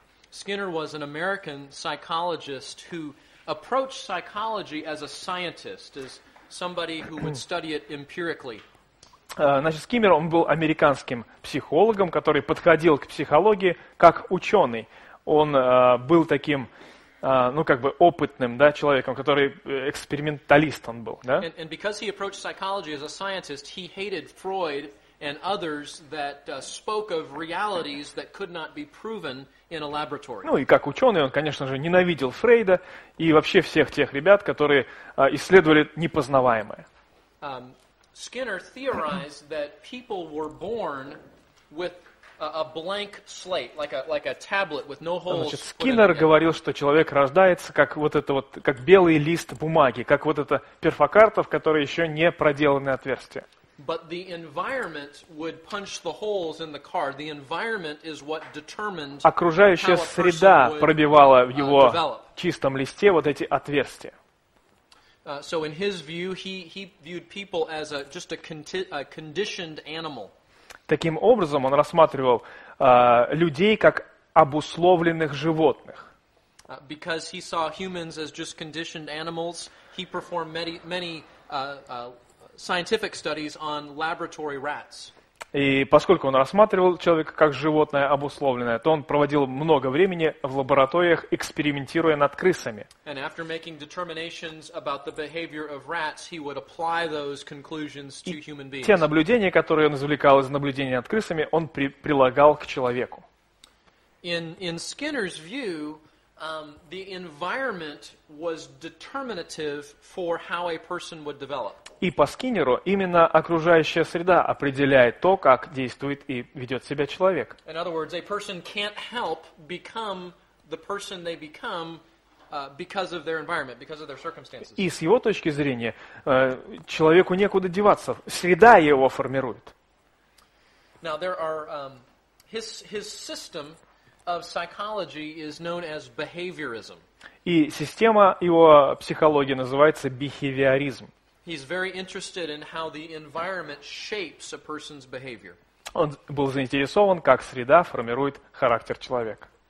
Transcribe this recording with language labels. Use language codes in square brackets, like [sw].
[en] Skinner was an American psychologist who approached psychology as a scientist, as somebody who would study it empirically. [ru] Значит, Скиннер, он был американским психологом, который подходил к психологии как ученый. Он был таким, ну, как бы опытным, да, человеком, который эксперименталист он был, да? [en] And because he approached psychology as a scientist, he hated Freud and others that spoke of realities that could not be proven in a laboratory. [ru] Ну, и как ученый, он, конечно же, ненавидел Фрейда и вообще всех тех ребят, которые исследовали непознаваемое. [en] Skinner theorized that people were born with a blank slate, like a tablet with no holes. [ru] Значит, Скиннер говорил, что человек рождается как вот это вот, как белый лист бумаги, как вот эта перфокарта, в которой еще не проделаны отверстия. [en] But the environment would punch the holes in the car. The environment is what determined how a person would develop. [ru] Окружающая среда пробивала в его чистом листе вот эти отверстия. [en] So in his view, he viewed people as a conditioned animal. [ru] Таким образом, он рассматривал людей как обусловленных животных. [en] Because he saw humans as just conditioned animals, he performed many scientific studies on laboratory rats. [ru] И поскольку он рассматривал человека как животное обусловленное, то он проводил много времени в лабораториях, экспериментируя над крысами. [en] And after making determinations about the behavior of rats, he would apply those conclusions to human beings. [ru] И те наблюдения, которые он извлекал из наблюдений над крысами, он прилагал к человеку. [en] In Skinner's view, the environment was determinative for how a person would develop. [ru] И по Скиннеру именно окружающая среда определяет то, как действует и ведет себя человек. [en] In other words, a person can't help become the person they become because of their environment, because of their circumstances. [ru] И с его точки зрения человеку некуда деваться, среда его формирует. [en] Now there are his system of psychology is known as behaviorism. [ru] И система его психологии называется бихевиоризм. [en] He's very interested in how the environment shapes a person's behavior. [ru] Он был заинтересован, как среда формирует характер человека.